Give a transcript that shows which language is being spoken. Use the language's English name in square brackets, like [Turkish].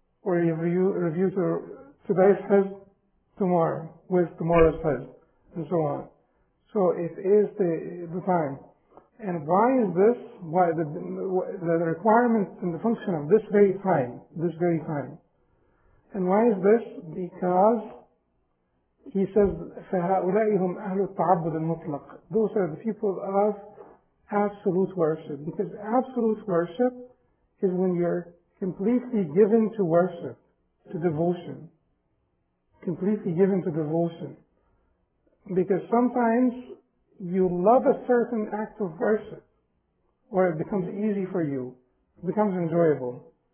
[English] Or you review today's hizb tomorrow with tomorrow's hizb. And so on. So it is the time. And why is this? Why the requirement and the function of this very time. And why is this? Because he says, [Arabic] فَهَؤُلَاءِ هُمْ أَهْلُ التَّعَبُّدِ الْمُطْلَقِ. [English] Those are the people of absolute worship. Because absolute worship is when you're completely given to worship, to devotion. Completely given to devotion. Because sometimes you love a certain act of worship, or it becomes easy for you, it becomes enjoyable.